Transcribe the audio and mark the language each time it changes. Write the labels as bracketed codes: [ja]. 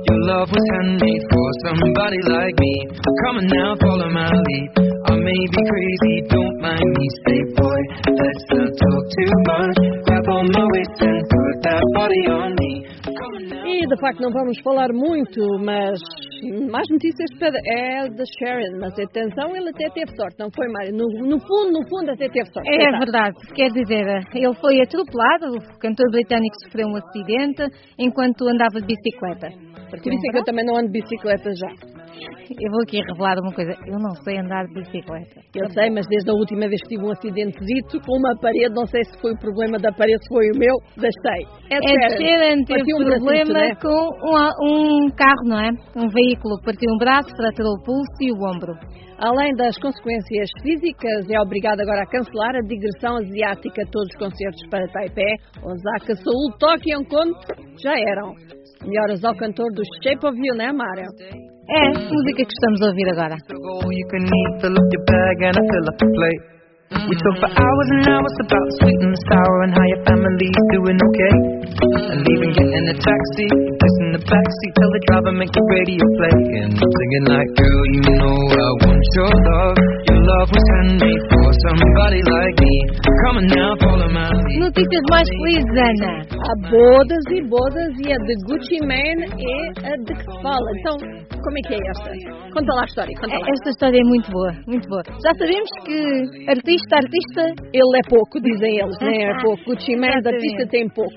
[en] Love was handmade for somebody like me. Come on now, follow my lead. I may be crazy, don't mind me. Say, boy, let's not talk too much. Grab on my waist and put that body on me. [pt] E, de facto, não vamos falar muito, mas mais notícias para é da Sharon. Mas, atenção, ele até teve sorte, não foi, Mário? No fundo, até teve sorte. É verdade. Quer dizer, ele foi atropelado, o cantor britânico sofreu um acidente enquanto andava de bicicleta. Por isso é que eu também não ando de bicicleta já. Eu vou aqui revelar uma coisa. Eu não sei andar de bicicleta. Eu sei, mas desde a última vez que tive um acidente dito com uma parede, não sei se foi o problema da parede, se foi o meu, deixei. Teve um problema com um carro, não é? Um veículo. Partiu um braço, fraturou o pulso e o ombro. Além das consequências físicas, é obrigado agora a cancelar a digressão asiática todos os concertos para Taipei, Osaka, Seul, Tóquio e Hong Kong já eram. Melhoras ao cantor do Shape of You, né, Mário? É, música que estamos a ouvir agora. [en] You can need to look your bag and I fill up the plate. We talk for hours and hours about the sweet and the sour and how your family's doing okay. And even getting a taxi, kissing the backseat, tell the driver make the radio play. And I'm singing like, girl, you know I want your love. Your love was handmade for somebody like me. Come on now, follow my lead. [pt] Notícias mais felizes, Ana. Há bodas e bodas e a de Gucci Mane é a de que fala. Então, como é que é esta? Conta lá a história, conta lá. Esta história é muito boa, muito boa. Já sabemos que artista, ele é pouco, dizem eles, né? É pouco. Gucci Mane, artista, tem pouco.